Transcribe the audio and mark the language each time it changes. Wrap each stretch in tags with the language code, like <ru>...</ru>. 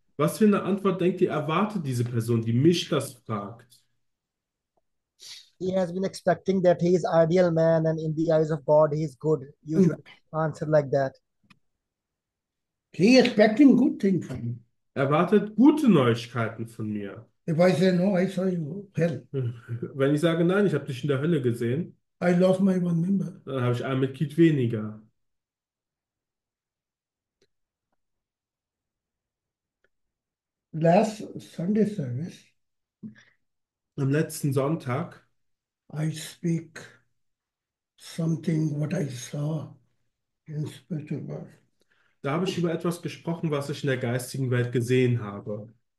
<de>Was für eine Antwort denkt ihr, erwartet diese Person, die mich das fragt?</de> <en>He has been expecting that he is ideal man and in the eyes of God he is good. Usually answer like that. He is expecting good thing from you.</en> <de>Erwartet gute Neuigkeiten von mir.</de> <en>If I say no, I saw you hell.</en> <de>Wenn ich sage, nein, ich habe dich in der Hölle gesehen,</de> <en>I lost my one member.</en> <de>dann habe ich ein Mitglied weniger.</de> <en>Last Sunday service,</en> <de>Am letzten Sonntag</de> <en>I speak something what I saw in spiritual world.</en> <de>da habe ich über etwas gesprochen, was ich in der geistigen Welt gesehen habe.</de>